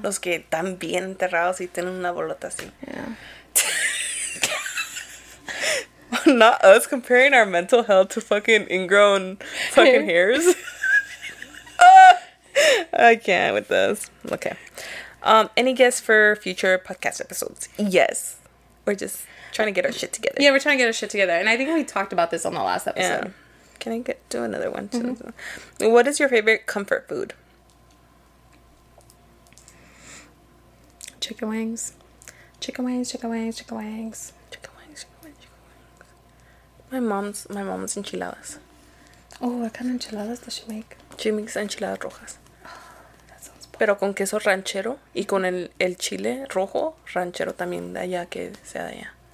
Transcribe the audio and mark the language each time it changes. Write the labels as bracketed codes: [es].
[es] Los que están bien enterrados y tienen una bolota así. [en] Yeah. Not us comparing our mental health to fucking ingrown fucking hairs. I can't with this. Okay. Any guests for future podcast episodes? Yes. We're just trying to get our shit together. Yeah, we're trying to get our shit together. And I think we talked about this on the last episode. Yeah. Can I get do another one too? Mm-hmm. What is your favorite comfort food? Chicken wings. Chicken wings, chicken wings, chicken wings. Chicken wings, chicken wings, chicken wings. My mom's enchiladas. Oh, what kind of enchiladas does she make? She makes enchiladas rojas. [es] Pero con queso ranchero y con el chile rojo ranchero también de allá que sea de allá.